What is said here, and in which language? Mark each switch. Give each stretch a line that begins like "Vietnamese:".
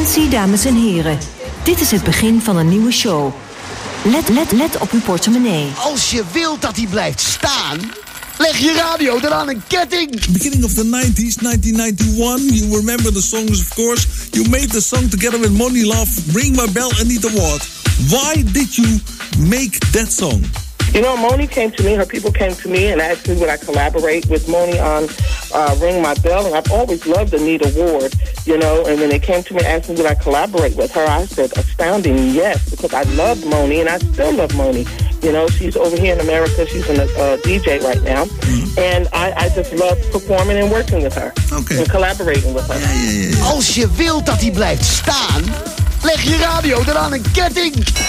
Dutch: Dames en heren, dit is het begin van een nieuwe show. Let op uw portemonnee. Als je wilt dat hij blijft staan, leg je radio eraan een ketting.
English: Beginning of the 90s, 1991, you remember the songs of course. You made the song together with Money Love, Ring My Bell, Anita Ward. Why did you make that song? You know, Moni came to me, her people came to me and asked me would I collaborate with Moni on Ring My Bell. And I've always loved Anita Ward, you know, and when they came to me asking would I collaborate with her, I said astounding yes, because I love Moni and I still love Moni. You know, she's over here in America, she's in a DJ right now, and I just love performing and working with her. Okay. And collaborating with her.
Dutch: Als je wilt dat hij blijft staan, leg je radio eraan een ketting.